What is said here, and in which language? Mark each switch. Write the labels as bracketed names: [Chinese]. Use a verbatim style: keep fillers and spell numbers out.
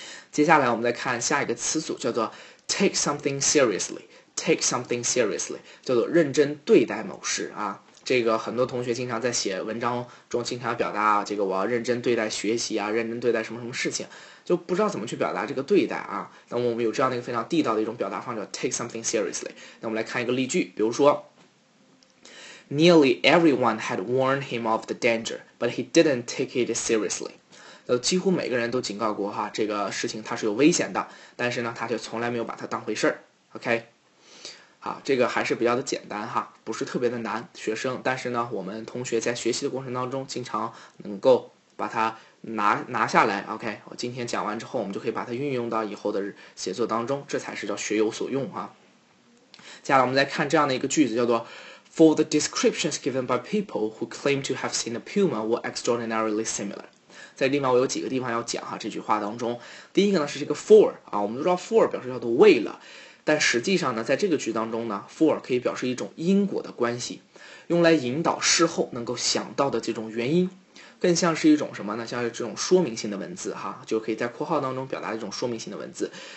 [Chinese] 接下来我们再看下一个词组叫做 [English] Take something seriously, take something seriously [Chinese] 叫做认真对待某事啊。这个很多同学经常在写文章中经常表达啊，这个我要认真对待学习啊，认真对待什么什么事情，就不知道怎么去表达这个对待啊。那么我们有这样的一个非常地道的一种表达方式， [English] take something seriously。 [Chinese] 那我们来看一个例句，比如说 [English] Nearly everyone had warned him of the danger, but he didn't take it seriously。 [Chinese] 呃，几乎每个人都警告过哈，这个事情它是有危险的，但是呢，他却从来没有把它当回事儿。OK，啊，这个还是比较的简单哈，不是特别的难学生，但是呢我们同学在学习的过程当中经常能够把它拿拿下来。 OK， 我今天讲完之后我们就可以把它运用到以后的写作当中，这才是叫学有所用哈。接下来我们来看这样的一个句子，叫做 [English] For the descriptions given by people who claim to have seen a puma were extraordinarily similar。 [Chinese] 在这地方我有几个地方要讲哈，这句话当中第一个呢是这个 for 啊，我们都知道 for 表示叫做为了，但实际上呢在这个句当中呢 for 可以表示一种因果的关系，用来引导事后能够想到的这种原因，更像是一种什么呢，像是这种说明性的文字哈，就可以在括号当中表达一种说明性的文字。